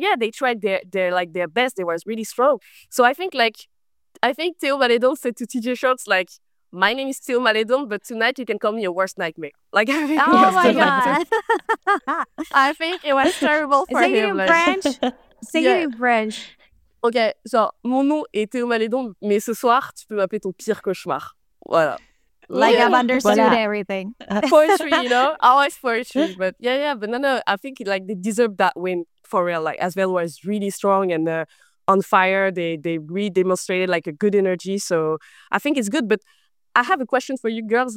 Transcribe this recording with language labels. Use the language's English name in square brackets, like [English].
[English] Yeah, they tried their best. They were really strong. So I think Théo Malédon said to CJ Shorts, like, my name is Théo Malédon, but tonight you can call me your worst nightmare. Like, I mean, oh my God. I think it was terrible for him. Say it in French. Say it in French. [French] Ok, genre, mon nom est Théo Malédon, mais ce soir, tu peux m'appeler ton pire cauchemar. Voilà. [English] Like, I've understood everything. Poetry, you know? Always poetry. But no, I think, like, they deserve that win for real. Like, Asvel was really strong and on fire. They really demonstrated, like, a good energy. So I think it's good. But I have a question for you girls.